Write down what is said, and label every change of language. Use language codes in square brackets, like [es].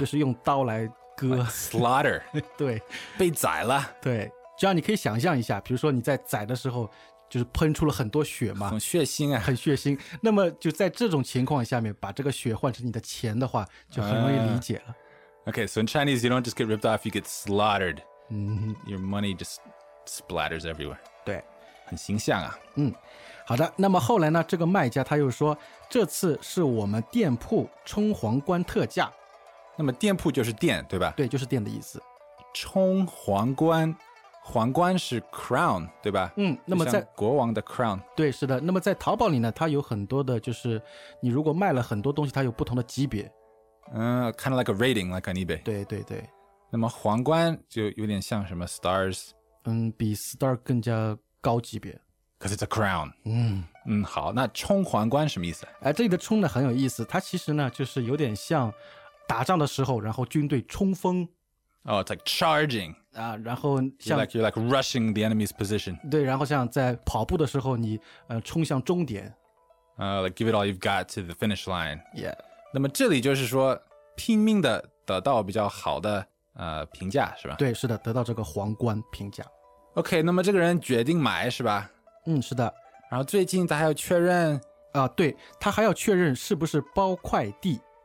[zh] 就是用刀来割。 [en] Slaughter。 [zh] 对，被宰了。对，这样你可以想象一下，比如说你在宰的时候就是喷出了很多血嘛，很血腥啊，很血腥。那么就在这种情况下面，把这个血换成你的钱的话，就很容易理解了。 [en] Okay, so in Chinese, you don't just get ripped off, you get slaughtered. Your money just splatters everywhere. [zh] 对，很形象啊。好的。那么后来呢，这个卖家他又说，这次是我们店铺冲皇冠特价。那么店铺就是店，对吧？对，就是店的意思。冲皇冠。皇冠是 crown 对吧？那么在国王的 crown。对，是的。那么在淘宝里呢，它有很多的，就是你如果卖了很多东西，它有不同的级别。 [en] kind of like a rating, like on eBay。 [zh] 对对对。那么皇冠就有点像什么 stars。比 star 更加高级别。 [en] Because it's a crown。 [zh] 好，那冲皇冠什么意思？这里的冲呢很有意思，它其实呢就是有点像打仗的时候，然后军队冲锋。 [en] Oh, it's like charging. [zh] 然后像 [en] you're like rushing the enemy's position. [zh] 对，然后像在跑步的时候，你冲向终点。 [en] Like give it all you've got to the finish line. Yeah. [zh] 那么这里就是说拼命的得到比较好的评价是吧？对，是的，得到这个皇冠评价。 OK, 那么这个人决定买是吧？是的。然后最近他还要确认对，他还要确认是不是包快递。